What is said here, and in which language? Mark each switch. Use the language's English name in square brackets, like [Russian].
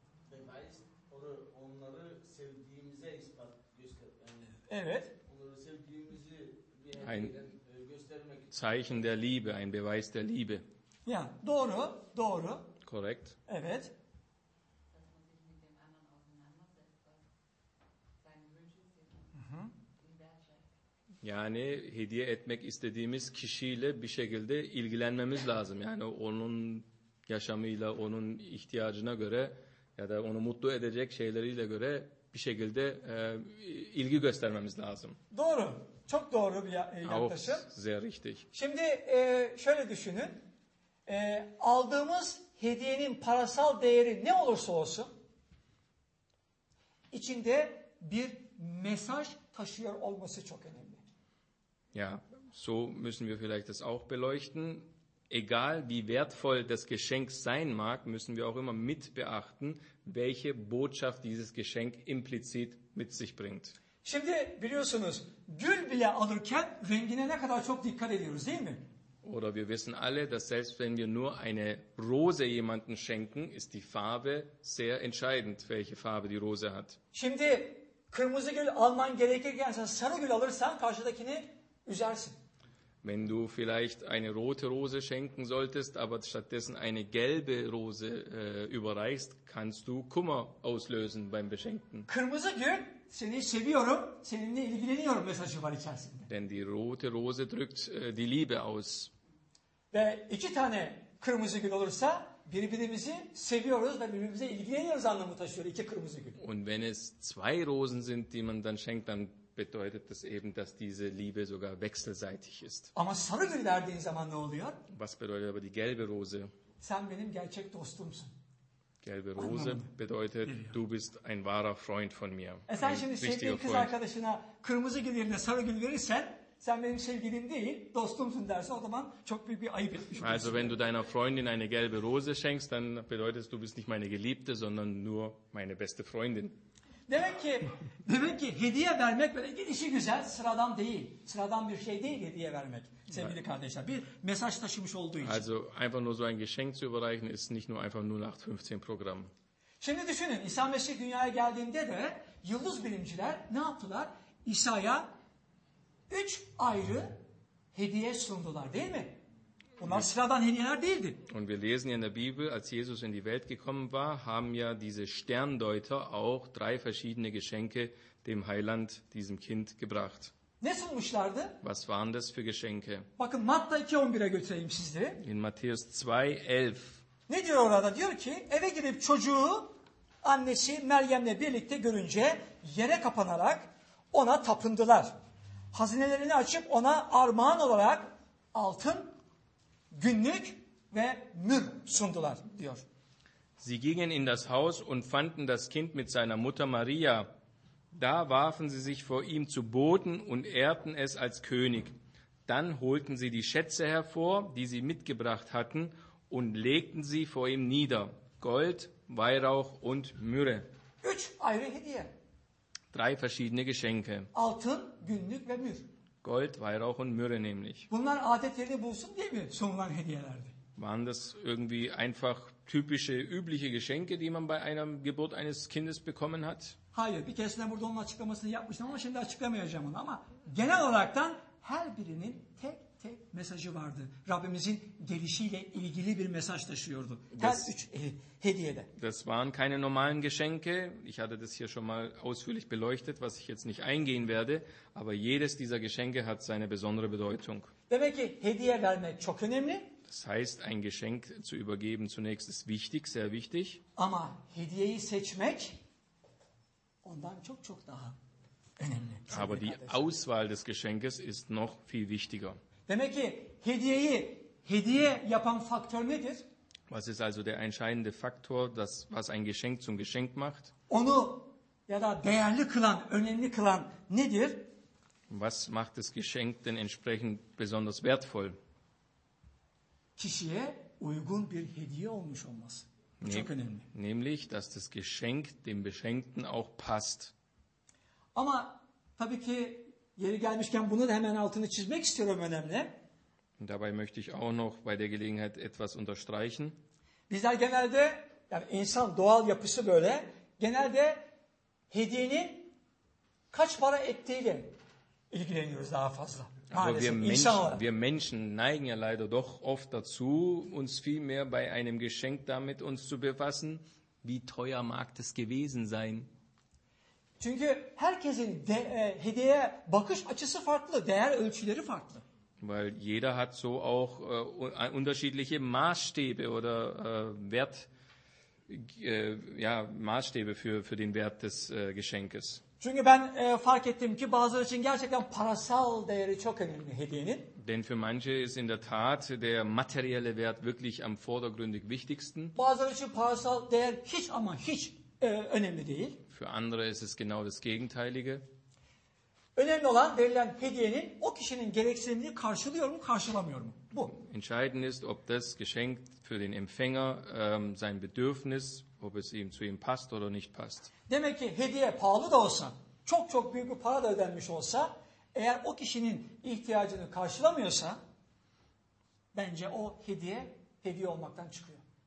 [German] Beweis oder [Turkish] onları sevdiğimize ispat göstermek. Evet. Onları sevdiğimizi [German] ein [Turkish] göstermek. [German] Zeichen der Liebe, ein Beweis der Liebe. Ja, [Turkish] doğru, doğru. [German] Korrekt. [Turkish] Evet. Yani hediye etmek istediğimiz kişiyle bir şekilde ilgilenmemiz lazım. Yani onun yaşamıyla, onun ihtiyacına göre ya da onu mutlu edecek şeyleriyle göre bir şekilde ilgi göstermemiz lazım. Doğru. Çok doğru bir yaklaşım. [German] Sehr richtig. [Turkish] Şimdi şöyle düşünün. Aldığımız hediyenin parasal değeri ne olursa olsun içinde bir mesaj taşıyor olması çok önemli. [German] Ja, so müssen wir vielleicht das auch beleuchten. Egal wie wertvoll das Geschenk sein mag, müssen wir auch immer mit beachten, welche Botschaft dieses Geschenk implizit mit sich bringt. [Turkish] Şimdi biliyorsunuz, gül bile alırken rengine ne kadar çok dikkat ediyoruz, değil mi? [German] Oder wir wissen alle, dass selbst wenn wir nur eine Rose jemanden schenken, ist die Farbe sehr entscheidend, welche Farbe die Rose hat. [Turkish] Şimdi kırmızı gül alman gerekirken sen sarı gül alırsan karşıdakini üzersin. [German] Wenn du vielleicht eine rote Rose schenken solltest, aber stattdessen eine gelbe Rose überreichst, kannst du Kummer auslösen beim Beschenkten. [Turkish] Kırmızı gül, seni seviyorum, seninle ilgileniyorum mesajı var içerisinde. [German] Denn die rote Rose drückt die Liebe aus. [Turkish] Ve iki tane kırmızı gül olursa birbirimizi seviyoruz ve birbirimize ilgileniyoruz anlamı taşıyor iki kırmızı gül. [German] Und wenn es zwei Rosen sind, die man dann schenkt, dann bedeutet das eben, dass diese Liebe sogar wechselseitig ist. [Turkish] Ama sarı gül verdiğin zaman ne oluyor? [German] Was bedeutet aber die gelbe Rose? [Turkish] Sen benim gerçek dostumsun. [German] Gelbe Rose bedeutet, du bist ein wahrer Freund von mir. [Turkish] Sen şimdi sevdiğin kız arkadaşına kırmızı gül yerine sarı gül verirsen, sen benim sevgilim değil, dostumsun derse o zaman çok büyük bir ayıp etmiş olursun. [German] Also wenn du deiner Freundin eine gelbe Rose schenkst, dann bedeutet, du bist nicht meine Geliebte, sondern nur meine beste Freundin. [Turkish] Demek ki hediye vermek böyle gidişi güzel, sıradan değil. Sıradan bir şey değil hediye vermek sevgili kardeşler. Bir mesaj taşımış olduğu için. [German] Also einfach nur so ein Geschenk zu überreichen ist nicht nur einfach 0815 Programm. [Turkish] Şimdi düşünün, İsa Mesih dünyaya geldiğinde de yıldız bilimciler ne yaptılar? İsa'ya 3 ayrı hediye sundular, değil mi? Bunlar sıradan hediyeler değildi. [German] Und wir lesen ja in der Bibel, als Jesus in die Welt gekommen war, haben ja diese Sterndeuter auch 3 verschiedene Geschenke dem Heiland, diesem Kind, gebracht. [Turkish] Ne sunmuşlardı? [German] Was waren das für Geschenke? [Turkish] Bakın Matta 2:11'e götüreyim sizi. [German] In Matthäus 2:11. [Turkish] Ne diyor orada? Diyor ki, eve gidip çocuğu annesi Meryem'le birlikte görünce yere kapanarak ona tapındılar. Hazinelerini açıp ona armağan olarak altın, günlük ve mür sundular diyor. [German] Sie gingen in das Haus und fanden das Kind mit seiner Mutter Maria. Da warfen sie sich vor ihm zu Boden und ehrten es als König. Dann holten sie die Schätze hervor, die sie mitgebracht hatten, und legten sie vor ihm nieder. Gold, Weihrauch und Myrrhe. [Turkish] 3 ayrı hediye. [German] 3 verschiedene Geschenke. [Turkish] Altın, günlük ve mür. [German] Gold, Weihrauch und Myrrhe nämlich. [Turkish] Bunlar adet yerini bulsun diye mi sunulan hediyelerdi? [German] Waren das irgendwie einfach typische, übliche Geschenke, die man bei einer Geburt eines Kindes bekommen hat? [Turkish] Hayır, bir keresinde burada onun açıklamasını yapmıştım ama şimdi açıklamayacağım onu. Ama genel olaraktan her birinin tek tek mesajı vardı. Rabbimizin gelişiyle ilgili bir mesaj taşıyordu. Her üç hediyede. [German] Das waren keine normalen Geschenke. Ich hatte das hier schon mal ausführlich beleuchtet, was ich jetzt nicht eingehen werde. Aber jedes dieser Geschenke hat seine besondere Bedeutung. [Turkish] Demek ki hediye vermek çok önemli. [German] Das heißt, ein Geschenk zu übergeben zunächst ist wichtig, sehr wichtig. [Turkish] Ama hediyeyi seçmek ondan çok çok daha önemli. [German] Aber die Auswahl des Geschenkes ist noch viel wichtiger. [Turkish] Demek ki hediyeyi hediye yapan faktör nedir? [German] Was ist also der entscheidende Faktor, das was ein Geschenk zum Geschenk macht? [Turkish] Onu ya da değerli kılan, önemli kılan nedir? [German] Was macht das Geschenk denn entsprechend besonders wertvoll? [Turkish] Kişiye uygun bir hediye olmuş olması. Çok önemli. [German] Nämlich, dass das Geschenk dem Beschenkten auch passt. [Turkish] Ama tabii ki yeri gelmişken bunu da hemen altını çizmek istiyorum önemli. [German] Dabei möchte ich auch noch bei der Gelegenheit etwas unterstreichen. [Turkish] Bizler genelde, yani insan doğal yapısı böyle, genelde hediyenin kaç para ettiğiyle ilgileniyoruz daha fazla. [German] Aber wir Menschen neigen ja leider doch oft dazu, uns viel mehr bei einem Geschenk damit uns zu befassen, wie teuer mag das gewesen sein. [Turkish] Çünkü herkesin hediye bakış açısı farklı, değer ölçüleri farklı. [German] Weil jeder hat so auch unterschiedliche Maßstäbe oder Wert, ja Maßstäbe für den Wert des Geschenkes. [Turkish] Çünkü ben fark ettim ki bazıları için gerçekten parasal değeri çok önemli hediyenin. [German] Denn für manche ist in der Tat der materielle Wert wirklich am vordergründig wichtigsten. [Turkish] Bazıları için parasal değer hiç ama hiç önemli değil. [German] Für andere ist es genau das Gegenteilige. [Turkish] Önemli olan verilen hediyenin o kişinin gereksinimini karşılıyor mu, karşılamıyor mu? Bu. [German] Entscheidend ist, ob das Geschenk für den Empfänger sein Bedürfnis, ob es ihm zu ihm passt oder nicht passt. [Turkish] Demek ki hediye pahalı da olsa, çok çok büyük bir para da ödenmiş olsa, eğer o kişinin ihtiyacını karşılamıyorsa, bence o hediye olmaktan çıkıyor.